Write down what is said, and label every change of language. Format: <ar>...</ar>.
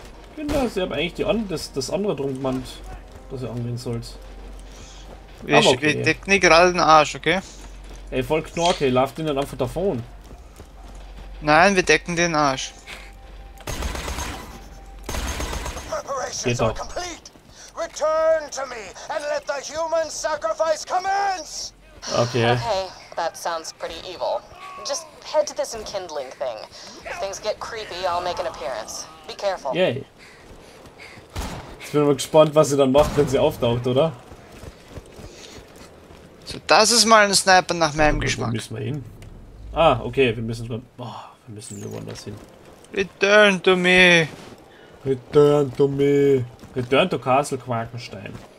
<de>Ich finde, sie haben eigentlich das andere drum gemeint, das ihr angehen sollt. Ich deck nicht gerade den Arsch, okay? Ey, voll Knorke, lauft ihn dann einfach davon. Nein, wir decken den Arsch. Geht doch.</de> <en>Return to me and let the human sacrifice commence. Okay. Okay, that sounds pretty evil. Just head to this enkindling thing. If things get creepy, I'll make an appearance. Be careful. Yay.</en> <de>Jetzt bin ich mal gespannt, was sie dann macht, wenn sie auftaucht, oder? So, das ist mal ein Sniper nach meinem Geschmack. Wo müssen wir hin? Ah, okay, wir müssen schon. Oh, wir müssen hier woanders hin.</de> <en>Return to me. Return to me. Return to Castle Quarkenstein.</en>